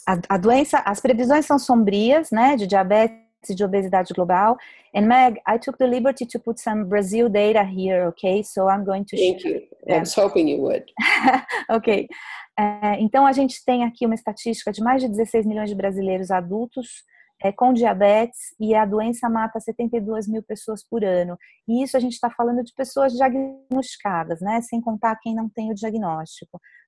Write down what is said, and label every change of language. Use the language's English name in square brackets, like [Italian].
[Portuguese] A doença, as previsões são sombrias, né, de diabetes e de obesidade global. [English] And Meg, I took the liberty to put some Brazil data here, okay? So I'm going to Thank you. I was hoping you would. Okay. [Portuguese] Então a gente tem aqui uma estatística de mais de 16 milhões de brasileiros adultos com diabetes e a doença mata 72 mil pessoas por ano. E isso a gente está falando de pessoas diagnosticadas, né, sem contar quem não tem o diagnóstico.